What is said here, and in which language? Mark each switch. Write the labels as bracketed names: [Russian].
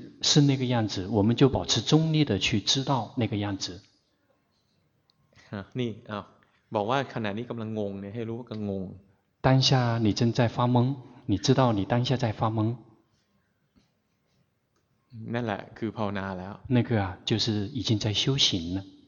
[Chinese] 是那个样子我们就保持中立的去知道那个样子 [Thai] นี่บอกว่าขณะนี้กำลังงงเนี่ยให้รู้ว่ากำลังงง [Chinese] 当下你正在发懵你知道你当下在发懵 [Thai] นั่นแหละคือภาวนาแล้ว [Chinese] 那个啊就是已经在修行了